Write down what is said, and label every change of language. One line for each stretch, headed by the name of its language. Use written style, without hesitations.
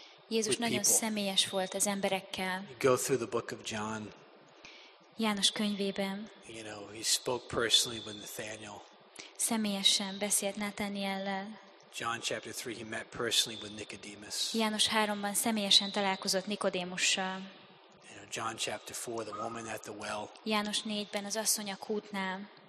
Hungarian: Jézus nagyon személyes volt az emberekkel.
English: Go through the book of John.
Hungarian: János könyvében.
English: You know, he spoke personally with Nathaniel.
Hungarian: Személyesen beszélt Nathaniellel.
English: John chapter 3, he met personally with Nicodemus.
Hungarian: János 3-ban személyesen találkozott Nikodémussal.
English: You know, John chapter 4, the woman at the well.
Hungarian: János 4-ben az asszony a kútnál.